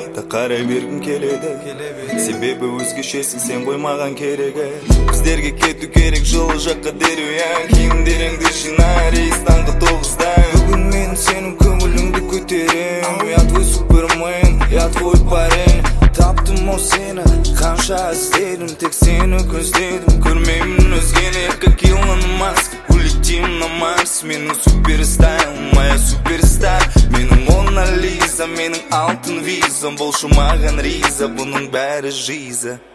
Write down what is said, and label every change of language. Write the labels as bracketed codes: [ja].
[kk] Қара бергім келеді, себебі өзгешесің сен ғой маған керегі. Біздерге кету керек жылы жаққа деру, киімдеріңді жина, рейс таңғы тоғызда. Бүгін мен сенің көңіліңді көтерем. [ru] Я твой супермен, я твой парень. [kk] Таптым ол сені, қанша іздедім. Тек сені көздедім, көрмеймін өзгені. [ru] Какие на Марс, улетим на Марс. [kk] Менің суперстайл, [ru] моя суперстар. [kk] Менің Мона Лиза, менің алтын визам. Бұл шумаған риза, бұның бәрі жиза.